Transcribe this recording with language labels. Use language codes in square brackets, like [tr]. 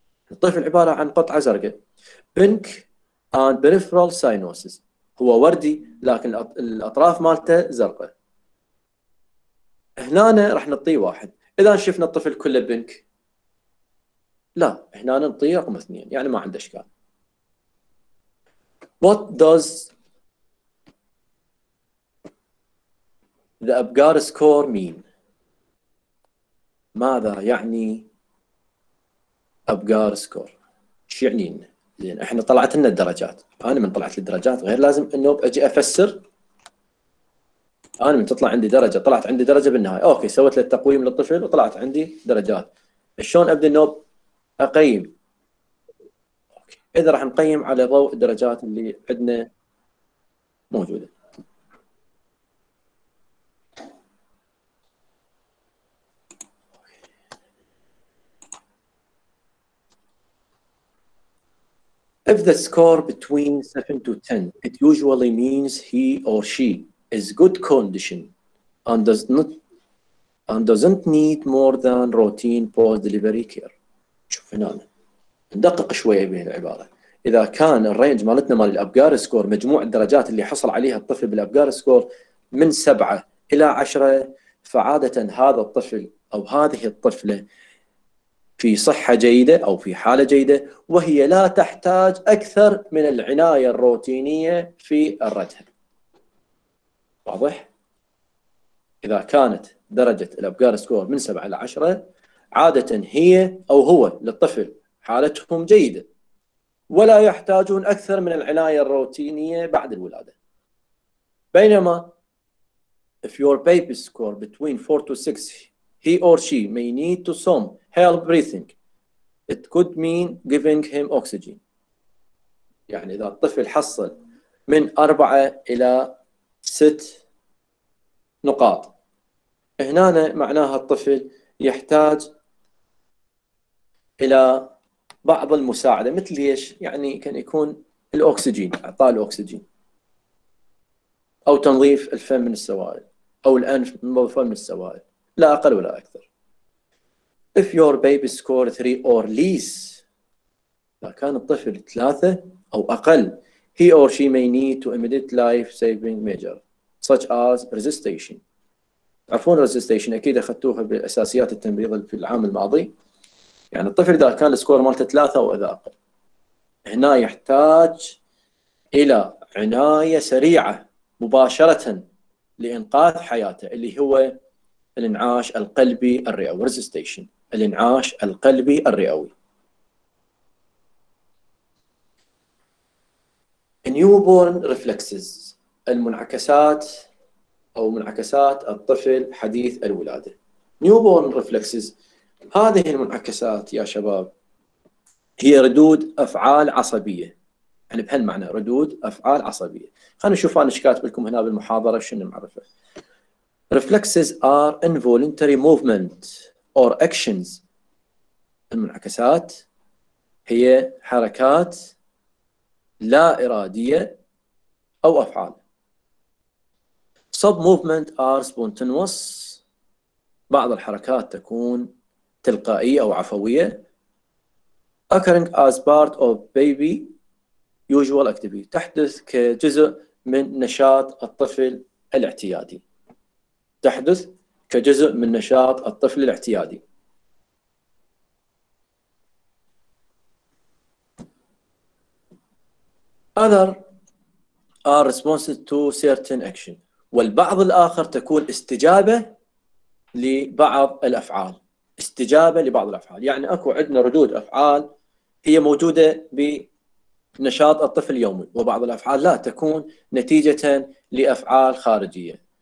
[ar] الطفل عبارة عن قطعة زرقاء. [en] Pink and peripheral sinuses [ar] هو وردي لكن الأطراف مالته زرقاء. هنا راح نعطيه 1. إذا شفنا الطفل كله بينك لا هنا نعطيه رقم 2 يعني ما عنده إشكال. [en] What does the Apgar score mean؟ [ar] ماذا يعني ابقار سكور ايش يعني لنا؟ زين احنا طلعت لنا الدرجات، انا من طلعت للدرجات غير لازم انه اجي افسر. انا من تطلع عندي درجه، طلعت عندي درجه بالنهايه، اوكي سويت للتقويم للطفل وطلعت عندي درجات، شلون ابدا النوب اقيم؟ اذا راح نقيم على ضوء الدرجات اللي عندنا موجوده. [en] If the score between 7 to 10, it usually means he or she is good condition and doesn't need more than routine post delivery care. [ar] شوف هنا ندقق شويه بالعباره. اذا كان الرينج مالتنا مال الابقار سكور، مجموع الدرجات اللي حصل عليها الطفل بالابقار سكور من 7 الى 10، فعاده هذا الطفل او هذه الطفله في صحة جيدة أو في حالة جيدة، وهي لا تحتاج أكثر من العناية الروتينية في الرجل. واضح؟ إذا كانت درجة الأبقار سكور من 7 إلى 10، عادة هي أو هو للطفل حالتهم جيدة ولا يحتاجون أكثر من العناية الروتينية بعد الولادة. بينما [en] if your baby score between 4 to 6, he or she may need to some help breathing. It could mean giving him oxygen. [ar] يعني إذا الطفل حصل من 4 إلى 6 نقاط، هنا معناها الطفل يحتاج إلى بعض المساعدة. مثل إيش؟ يعني كان يكون الأكسجين، إعطاء الأكسجين، أو تنظيف الفم من السوائل، أو الأنف منظف من السوائل، لا أقل ولا أكثر. [en] If your baby score 3 or less، [ar] إذا كان الطفل 3 أو أقل، [en] he or she may need to immediate life saving measure such as resuscitation. [ar] عفواً resuscitation أكيد أخذتوها بالأساسيات التمريض في العام الماضي. يعني الطفل إذا كان السكور مالته 3 أو إذا أقل، هنا يحتاج إلى عناية سريعة مباشرة لإنقاذ حياته، اللي هو الإنعاش القلبي الرئوي resuscitation. الإنعاش القلبي الرئوي. Newborn reflexes، المنعكسات أو منعكسات الطفل حديث الولادة. Newborn reflexes، هذه المنعكسات يا شباب هي ردود أفعال عصبية. يعني بهالمعنى ردود أفعال عصبية. خلينا نشوف أنا إيش كاتب لكم هنا بالمحاضرة شنو معرفة. [en] Reflexes are involuntary movement or actions. [ar] المنعكسات هي حركات لا إرادية أو أفعال. [en] Sub movement are spontaneous. [ar] بعض الحركات تكون تلقائية أو عفوية. [en] Occurring as part of baby usual activity. [ar] تحدث كجزء من نشاط الطفل الاعتيادي. تحدث كجزء من نشاط الطفل الاعتيادي. [en] Other are responses to certain action. [ar] والبعض الآخر تكون استجابة لبعض الأفعال. استجابة لبعض الأفعال. يعني أكو عندنا ردود أفعال هي موجودة بنشاط الطفل اليومي، وبعض الأفعال لا، تكون نتيجة لأفعال خارجية.